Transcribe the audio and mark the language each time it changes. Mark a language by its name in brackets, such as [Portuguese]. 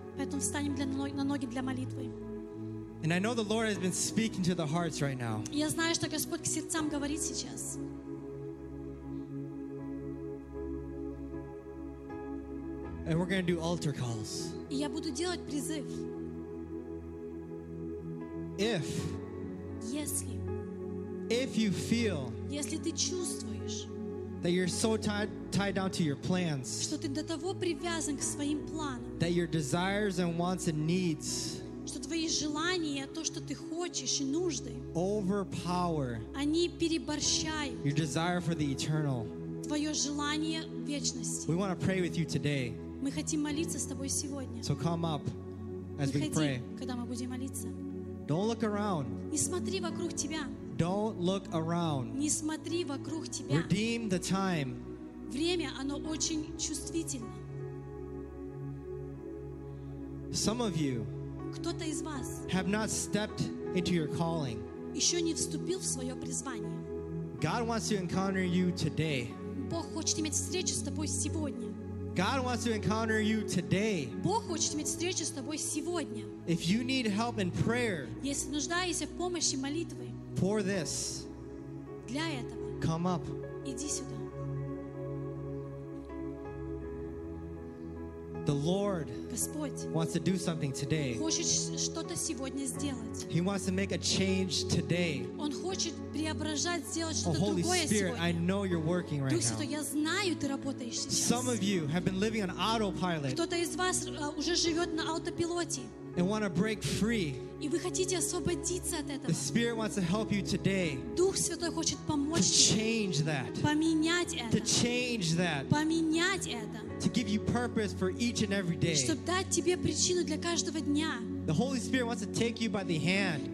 [Russian] Поэтому встанем на ноги для молитвы. [English] And I know the Lord has been speaking to the hearts right now. [Russian] Я знаю, что Господь к сердцам говорит сейчас. [English] And we're going to do altar calls. [Russian] И я буду делать призыв. [English] If [Russian] Если, [English] if you feel [Russian] если ты чувствуешь, [English] that you're so tied down to your plans, [Russian] что ты до того привязан к своим планам, [English] that your desires and wants and needs [Russian] что твои желания, то, что ты хочешь, и нужды, [English] overpower [Russian] они переборщают, [English] your desire for the eternal, [Russian] твое желание вечности. [English] We want to pray with you today. [Russian] Мы хотим молиться с тобой сегодня. [English] So come up as [Russian] Выходи, [English] we pray. [Russian] Когда мы будем молиться. [English] Don't look around. [Russian] Не смотри вокруг тебя. [English] Don't look around. [Russian] Не смотри вокруг тебя. [English] Redeem the time. [Russian] Время, оно очень чувствительно. [English] Some of you [Russian] кто-то из вас [English] have not stepped into your calling. [Russian] Еще не вступил в свое призвание. [English] God wants to encounter you today. [Russian] Бог хочет иметь встречу с тобой сегодня. [English] God wants to encounter you today. [Russian] Бог хочет иметь встречу с тобой сегодня. [English] If you need help in prayer, [Russian] если нуждаешься в помощи молитвы, [English] for this, [Russian] для этого, [English] come up. [Russian] Иди сюда. [English] The Lord [Russian] Господь [English] wants to do something today. [Russian] Хочет что-то сегодня сделать. [English] He wants to make a change today. [Russian] Он хочет преображать, сделать что-то [English] oh, Holy [Russian] другое [English] Spirit, [Russian] сегодня. [English] I know you're working right [Russian] Дух Святой, [English] now. [Russian] Я знаю, ты работаешь сейчас. [English] Some of you have been living on autopilot. [Russian] Кто-то из вас уже живет на автопилоте. [English] And want to break free. [Russian] И вы хотите освободиться от этого. [English] The Spirit wants to help you today. [Russian] Дух Святой хочет помочь тебе. [English] To change that. [Russian] Поменять это. [English] To change that. [Russian] Поменять это. [English] To give you purpose for each and every day. [Russian] Чтобы дать тебе причину для каждого дня. [English] The Holy Spirit wants to take you by the hand.